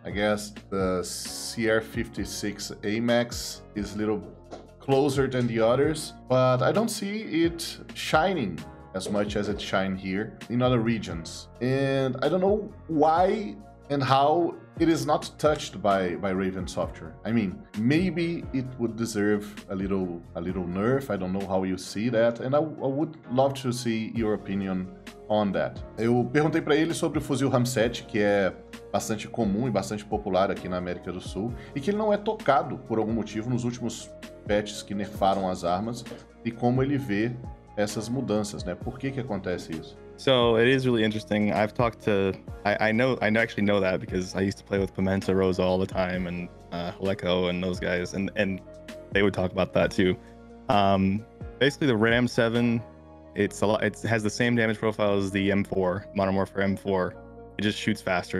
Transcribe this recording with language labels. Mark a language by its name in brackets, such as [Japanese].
[English] I guess the CR56 AMAX is a little closer than the others, but I don't see it shining as much as it shine here in other regions. And I don't know why and how it is not touched by Raven Software. I mean, maybe it would deserve a little nerf. I don't know how you see that. And I would love to see your opinion on that. [Portuguese] Eu perguntei para ele sobre o fuzil Ram 7, que é bastante comum e bastante popular aqui na América do Sul, e que ele não é tocado por algum motivo nos últimos patches que nerfaram as armas, e como ele vê essas mudanças, né? Por que que acontece isso? [English] So it is really interesting. I've talked to, I actually know that because I used to play with Pimenta Rosa all the time and Haleko and those guys, and they would talk about that too. Basically the Ram 7, it has the same damage profile as the M4, Modern Warfare M4. It just shoots faster.